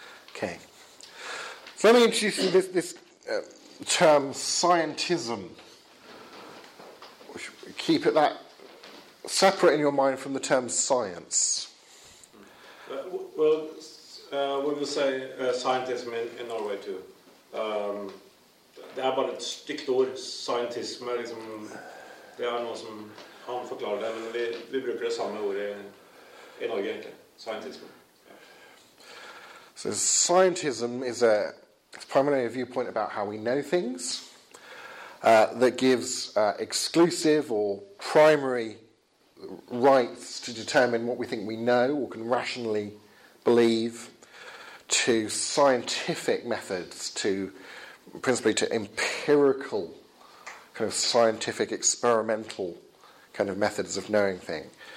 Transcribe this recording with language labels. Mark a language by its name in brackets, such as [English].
[English] Okay, so let me introduce you this term scientism. Keep it that separate in your mind from the term science. We will say scientism in Norway too. [Norwegian] Det bare et stygt ord, scientism. Liksom, det noe som han forklarer det, men vi bruker det samme ord I Norge egentlig, scientism. [English] So scientism is primarily a viewpoint about how we know things that gives exclusive or primary rights to determine what we think we know or can rationally believe to scientific methods, principally to empirical, kind of scientific, experimental kind of methods of knowing things.